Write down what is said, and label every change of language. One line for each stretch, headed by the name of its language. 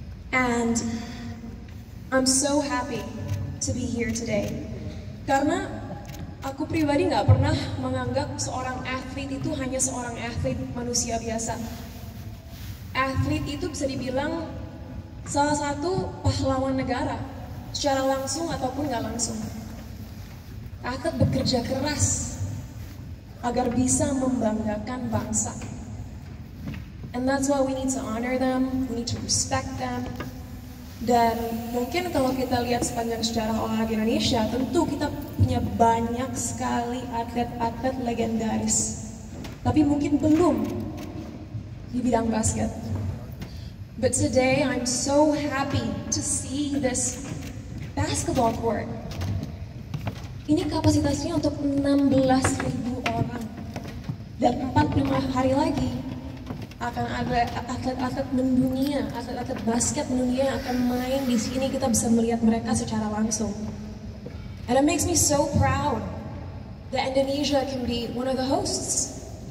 English: And I'm so happy to be here today.
Indonesian: Karena aku pribadi gak pernah menganggap seorang atlet itu hanya seorang atlet manusia biasa. Atlet itu bisa dibilang salah satu pahlawan negara, secara langsung ataupun gak langsung. Atlet bekerja keras agar bisa membanggakan bangsa.
English: And that's why we need to honor them, we need to respect them.
Indonesian: Dan mungkin kalau kita lihat sepanjang sejarah olahraga Indonesia, tentu kita punya banyak sekali atlet-atlet legendaris. Tapi mungkin belum di bidang basket.
English: But today I'm so happy to see this basketball court.
Indonesian: Ini kapasitasnya untuk 16.000 orang. Dan 45 hari lagi akan ada atlet-atlet mendunia, atlet-atlet basket mendunia akan main di sini. Kita bisa melihat mereka secara langsung.
English: And it makes me so proud that Indonesia can be one of the hosts.